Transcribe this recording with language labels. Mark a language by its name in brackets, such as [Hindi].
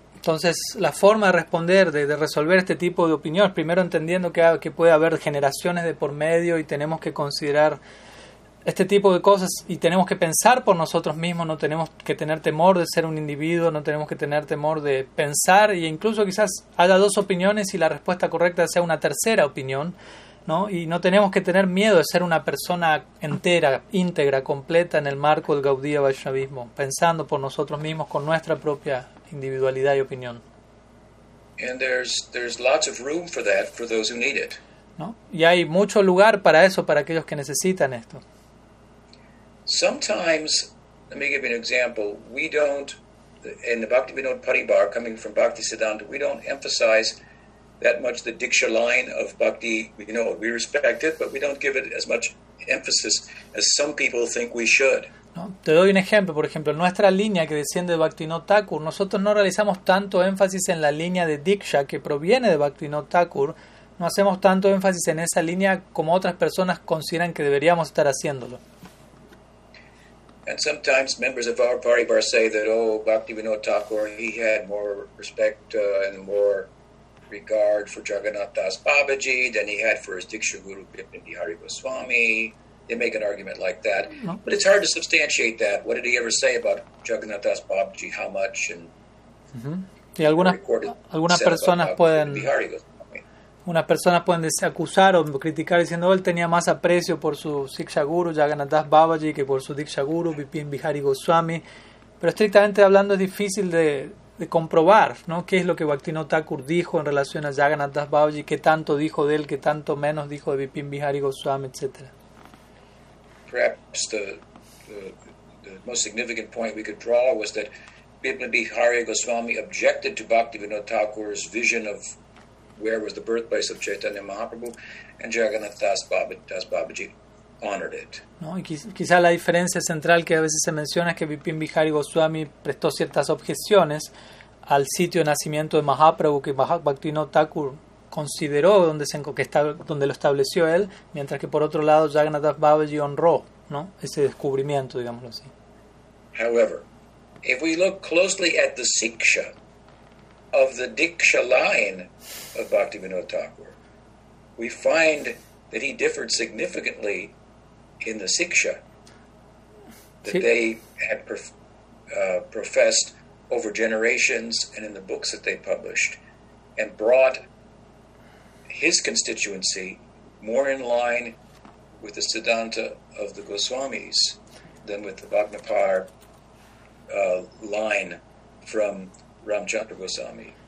[Spanish] Entonces, la forma de responder, de resolver este tipo de opiniones, primero entendiendo que puede haber generaciones de por medio y tenemos que considerar este tipo de cosas y tenemos que pensar por nosotros mismos, no tenemos que tener temor de ser un individuo, no tenemos que tener temor de pensar e incluso quizás haya dos opiniones y la respuesta correcta sea una tercera opinión, ¿no? Y no tenemos que tener miedo de ser una persona entera, íntegra, completa en el marco del Gaudiya Vaishnavismo, pensando por nosotros mismos con nuestra propia individualidad y opinión. [English] And there's lots of room for that for those who need it. [Spanish] ¿No? Y hay mucho lugar para eso, para aquellos que necesitan esto. [English] Sometimes, let me give you an example, we don't, in the Bhaktivinoda Paribar, coming from Bhaktisiddhanta, we don't emphasize that much the diksha line of Bhakti. You know, we respect it, but we don't give it as much emphasis as some people think we should. [Spanish] No, te doy un ejemplo, por ejemplo, nuestra línea que desciende de Bhaktivinoda Thakur, nosotros no realizamos tanto énfasis en la línea de diksha que proviene de Bhaktivinoda Thakur, no hacemos tanto énfasis en esa línea como otras personas consideran que deberíamos estar haciéndolo. [English] And sometimes members of our Paribar say that, oh, Bhaktivinoda Thakur, he had more respect and more regard for Jagannath Das Babaji than he had for his Diksha Guru Bipin Bihari Goswami. They make an argument like that. [Spanish] No. [English] But it's hard to substantiate that. What did he ever say about Jagannath Das Babaji? How much? And [Spanish] Y algunas personas pueden... Unas personas pueden acusar o criticar diciendo él tenía más aprecio por su Siksha Guru, Jagannath Das Babaji, que por su Diksha Guru, Bipin Bihari Goswami. Pero estrictamente hablando es difícil de comprobar, ¿no? Qué es lo que Bhaktivinoda Thakur dijo en relación a Jagannath Das Babaji, qué tanto dijo de él, qué tanto menos dijo de Bipin Bihari Goswami, etc. [English] Perhaps the most significant point we could draw was that Bipin Bihari Goswami objected to Bhaktivinoda Thakur's vision of where was the birthplace of Chaitanya Mahaprabhu, and Jagannath Das Babaji honored it. [Spanish] No, y quizá la diferencia central que a veces se menciona es que Bipin Bihari Goswami prestó ciertas objeciones al sitio de nacimiento de Mahaprabhu que Bhaktivinoda Thakur consideró donde lo estableció él, mientras que por otro lado Jagannath Das Babaji honró, ¿no?, ese descubrimiento, digámoslo así. [English] However, if we look closely at the siksha of the diksha line of Bhaktivinoda Thakur, we find that he differed significantly in the siksha that they had professed over generations and in the books that they published, and brought his constituency more in line with the Siddhanta of the Goswamis than with the Bhagnapar line from Ramchandra Goswami.